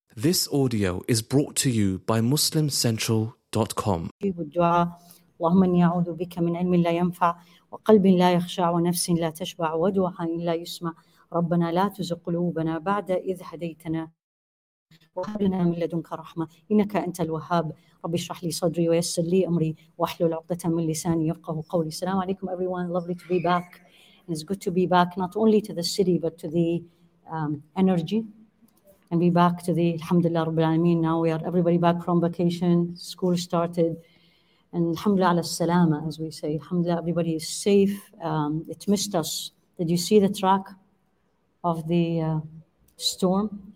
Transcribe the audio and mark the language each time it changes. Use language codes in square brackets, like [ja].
[en] This audio is brought to you by MuslimCentral.com. [ar] الدعاء اللهم إني أعوذ بك من علم لا ينفع وقلب لا يخشع ونفس لا تشبع ودعاء لا يسمع. ربنا لا تزغ قلوبنا بعد إذ هديتنا وهب لنا من لدنك رحمة إنك أنت الوهاب. ربي اشرح لي صدري ويسر لي أمري واحلل عقدة من لساني يفقهوا قولي. السلام عليكم [en] everyone, lovely to be back. And it's good to be back not only to the city but to the energy. And be back to the Alhamdulillah Rabbil Alameen. Now we are everybody back from vacation. School started. And Alhamdulillah ala salama, as we say. Alhamdulillah, everybody is safe. It missed us. Did you see the track of the storm?